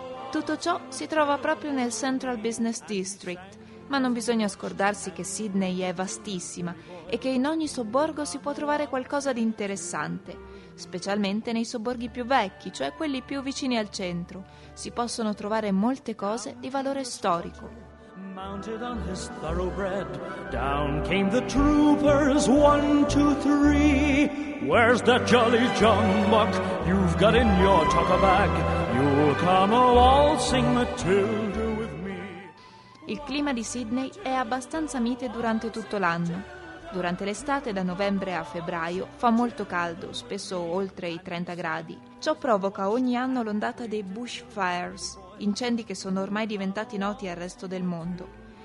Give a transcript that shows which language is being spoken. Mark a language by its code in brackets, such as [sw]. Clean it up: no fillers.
[it] Tutto ciò si trova proprio nel Central Business District. Ma non bisogna scordarsi che Sydney è vastissima e che in ogni sobborgo si può trovare qualcosa di interessante. Specialmente nei sobborghi più vecchi, cioè quelli più vicini al centro, si possono trovare molte cose di valore storico. [en] Mounted on his thoroughbred, down came the troopers, one, two, three. Where's that jolly John Buck you've got in your tucker bag? You'll come a waltzing Matilda with me. [it] Il clima di Sydney è abbastanza mite durante tutto l'anno. Durante l'estate, da novembre a febbraio, fa molto caldo, spesso oltre i 30 gradi. Ciò provoca ogni anno l'ondata dei bushfires, incendi che sono ormai diventati noti al resto del mondo.